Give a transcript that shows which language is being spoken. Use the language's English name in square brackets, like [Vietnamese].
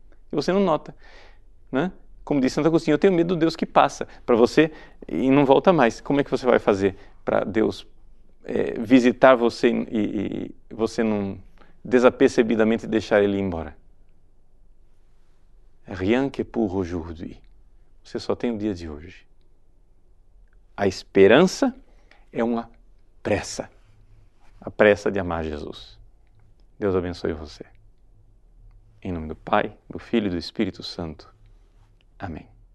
[Portuguese] E você não nota, né? Como diz Santo Agostinho, eu tenho medo do Deus que passa para você e não volta mais. Como é que você vai fazer para Deus visitar você e você não desapercebidamente deixar ele ir embora? [French] Rien que pour aujourd'hui. [Portuguese] Você só tem o dia de hoje. A esperança é uma pressa. A pressa de amar Jesus. Deus abençoe você. Em nome do Pai, do Filho e do Espírito Santo. Amém.